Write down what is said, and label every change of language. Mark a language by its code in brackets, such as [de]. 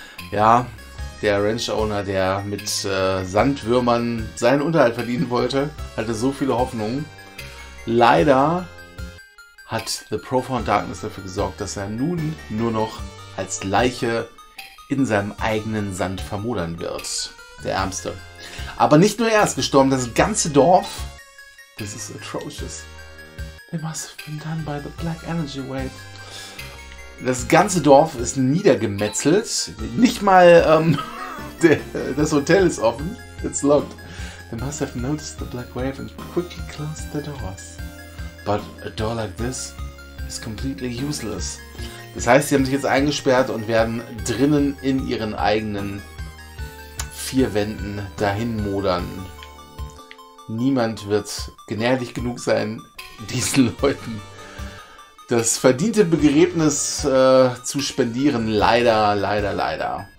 [de] Ja, der Ranch-Owner, der mit Sandwürmern seinen Unterhalt verdienen wollte, hatte so viele Hoffnungen. Leider hat The Profound Darkness dafür gesorgt, dass er nun nur noch als Leiche in seinem eigenen Sand vermodern wird. Der Ärmste. Aber nicht nur er ist gestorben, das ganze Dorf. [en] This is atrocious. They must have been done by the Black Energy Wave. [de] Das ganze Dorf ist niedergemetzelt. Nicht mal das Hotel ist offen. [en] It's locked. They must have noticed the black wave and quickly closed the doors. But a door like this is completely useless. [de] Das heißt, sie haben sich jetzt eingesperrt und werden drinnen in ihren eigenen vier Wänden dahin modern. Niemand wird gnädig genug sein, diesen Leuten das verdiente Begräbnis zu spendieren, leider, leider, leider.